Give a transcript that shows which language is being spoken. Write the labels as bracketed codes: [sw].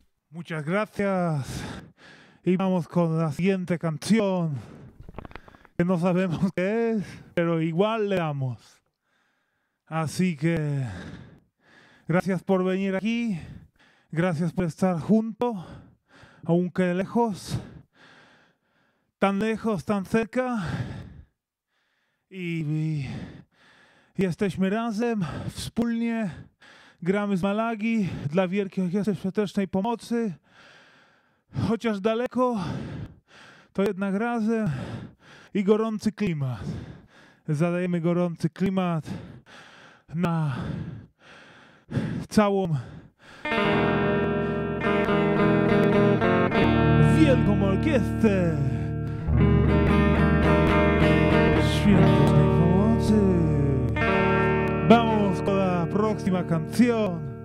[es] muchas gracias. Y vamos con la siguiente canción, que no sabemos qué es, pero igual le damos. Así que gracias por venir aquí, gracias por estar junto, aunque lejos, tan lejos, tan cerca. [pl] Y jesteśmy razem, wspólnie, gramy z Malagi dla Wielkiej Orkiestry Świątecznej Pomocy. Chociaż daleko, to jednak razem i gorący klimat. Zadajemy gorący klimat na całą Wielką Orkiestrę Świątecznej Pomocy. [es] Vamos con la próxima canción.